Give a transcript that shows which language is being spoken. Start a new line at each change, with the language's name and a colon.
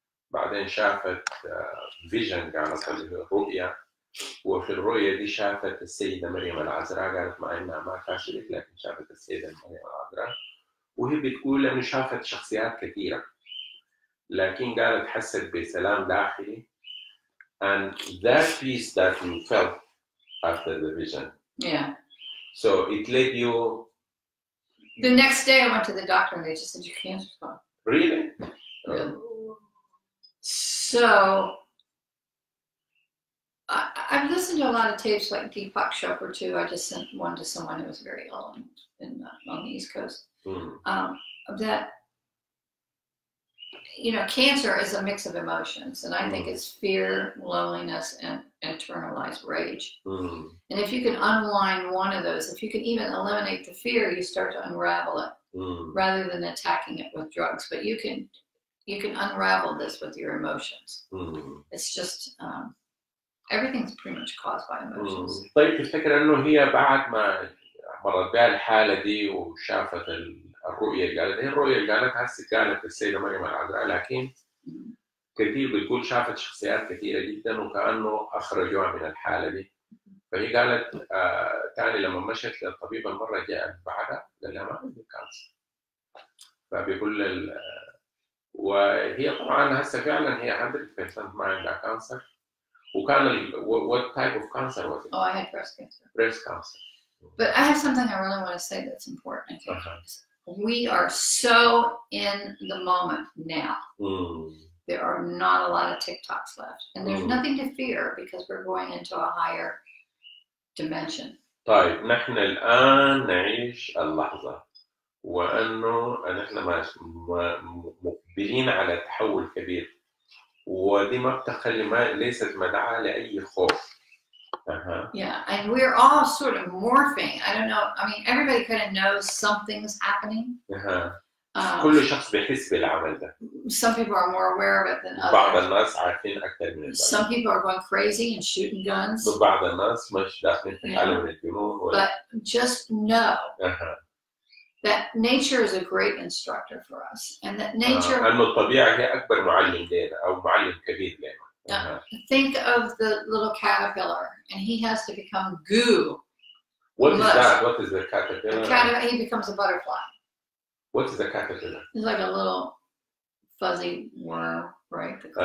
Arabic: بعدين شافت فيجن قالت هذه الرؤية، وفي الرؤية دي شافت السيدة مريم العذراء، قالت مع إنها ما كاثوليك لكن شافت السيدة مريم العذراء، وهي بتقول إنه شافت شخصيات كثيرة، لكن قالت حست بسلام داخلي،
English: and that peace that you felt after the vision. Yeah. So it led you. The next day I went to the doctor and they just said you can't respond. Really? So, I've listened to a lot of tapes like Deepak Chopra too. I just sent one to someone who was very ill on the East Coast. Mm. That, you know, cancer is a mix of emotions. And I think it's fear, loneliness, and internalized rage. Mm. And if you can unwind one of those, if you can even eliminate the fear, you start to unravel it rather than attacking it with drugs. But you can... you can unravel this with your emotions. Mm-hmm. It's just everything's pretty much caused by emotions. Mm-hmm.
Arabic: طيب تفتكر انه هي بعد ما مرت بها الحاله دي وشافت الرؤيه اللي قالت، هي الرؤيه اللي قالتها كانت السيده مريم العذراء، لكن كثير بيقول شافت شخصيات كثيره جدا وكانه اخرجوها من الحاله دي. فهي قالت تاني لما مشت للطبيب المره جاءت بعدها قال لها ما عندي كانسر. فبيقول وهي طبعا هسه فعلا هي 100% ما عندها كانسر. وكان
English: what type of cancer was it? Oh, I had breast cancer. Breast cancer. But I have something I really want to say that's important. Okay. Uh-huh. We are so in the moment now. Mm. There are not a lot of TikToks left. And there's nothing to fear because we're going into a higher dimension.
Arabic: طيب نحن الآن نعيش اللحظة. وانه نحن مقبلين على تحول كبير، ودي ما بتخلي ما ليست مدعاه لاي خوف.
English: Yeah, and we're all sort of morphing. I don't know. I mean, everybody kind of knows something's happening.
Arabic: كل شخص بيحس بالعمل ده.
English: Some people are more aware of it than others.
Arabic: بعض الناس عارفين اكثر من بعض.
English: Some people are going crazy and shooting guns.
Arabic: بعض الناس مش داخلين في عالم الجنون.
English: But just know. That nature is a great instructor for us, and that nature.
Arabic: أن الطبيعة هي أكبر معلم لنا أو معلم كبير لنا.
English: Think of the little caterpillar, and he has to become goo. What is that? What is the caterpillar? He becomes a butterfly. What is the caterpillar? It's like a little fuzzy worm, right?